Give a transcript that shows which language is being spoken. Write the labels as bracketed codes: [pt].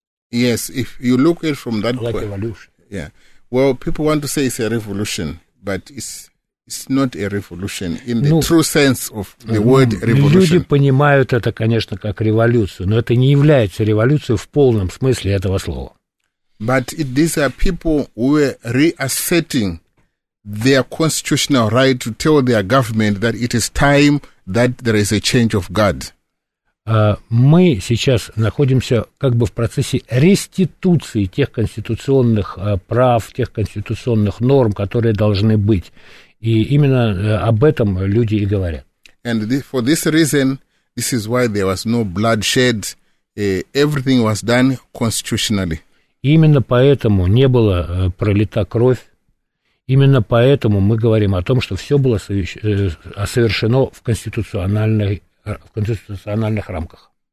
[en] Yes, if you look at it from that point. Well, people want to say it's a revolution, but it's not a revolution in the true sense of the word revolution. [ru] Люди понимают это, конечно, как революцию, но это не является революцией в полном смысле этого слова. [en] But these are people who are reasserting their constitutional right to tell their government that it is time that there is a change of guard. [ru] Мы сейчас находимся как бы в процессе реституции тех конституционных прав, тех конституционных норм, которые должны быть. И именно об этом люди и говорят. [en] And for this reason, this is why there was no bloodshed. Everything was done constitutionally. [ru] Именно поэтому не было пролита кровь. Именно поэтому мы говорим о том, что все было совершено в конституциональной в конституциональных рамках.